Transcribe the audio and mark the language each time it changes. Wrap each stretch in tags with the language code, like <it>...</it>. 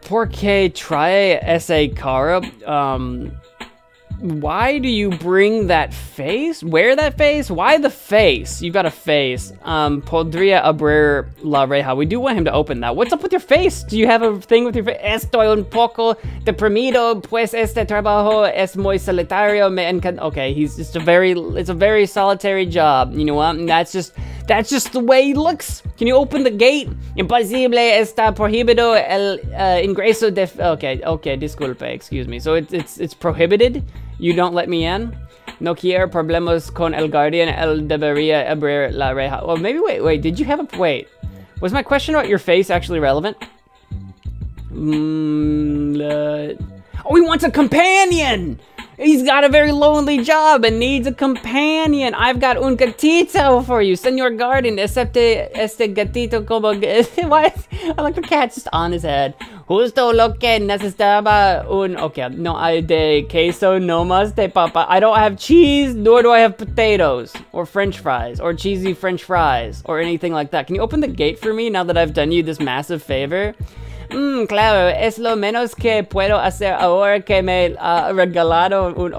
<es>Por qué trae ese cara?</es> <en>Why do you bring that face? Wear that face? Why the face? You've got a face.</en> <es>Podría abrir la reja.</es> <en>We do want him to open that. What's up with your face? Do you have a thing with your face?</en> <es>Estoy un poco deprimido, pues este trabajo es muy solitario.</es> <en>Okay, he's just it's a very solitary job. You know what? That's just the way he looks. Can you open the gate?</en> <es>Imposible está prohibido el ingreso de.</es> <en>Okay, disculpe, excuse me. So it's prohibited? You don't let me in?</en> <es>No quiero problemas con el guardián, él debería abrir la reja.</es> <en>Well, maybe, wait, did you have a. Wait. Was my question about your face actually relevant? Oh, he wants a companion! He's got a very lonely job and needs a companion. I've got</en> <es>un gatito</es> <en>for you.</en> <es>Señor guardián, acepte este gatito como.</es> <en>What? I like the cat just on his head.</en> <es>Justo lo que necesitaba un. Okay, no hay de queso, no más de papa.</es> <en>I don't have cheese, nor do I have potatoes or french fries or cheesy french fries or anything like that. Can you open the gate for me now that I've done you this massive favor?</en> <es>Claro, es lo menos que puedo hacer ahora que me ha regalado un.</es>